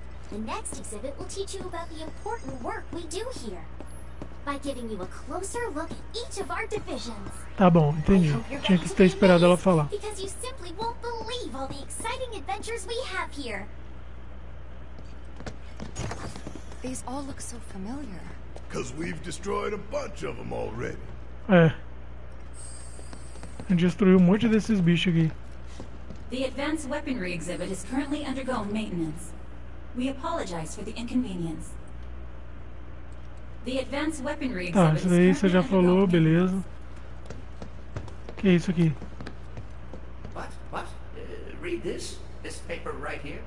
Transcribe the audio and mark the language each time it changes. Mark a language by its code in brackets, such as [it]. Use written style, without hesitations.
[en] The next exhibit will teach you about the important work we do here by giving you a closer look at each of our divisions. [pt] Tá bom, entendi. Tinha que ter esperado ela falar. [en] Because you simply won't believe all the exciting adventures we have here. These all look so familiar. Because we've destroyed a bunch of them already. [pt] É. A gente destruiu um monte desses bichos aqui. [en] The advanced weaponry exhibit is currently undergoing maintenance. We apologize for the inconvenience. The advanced weaponry exhibit. [pt] Tá, isso daí você já falou, beleza. Que é isso aqui? [en] What? What? Read this. This paper right here.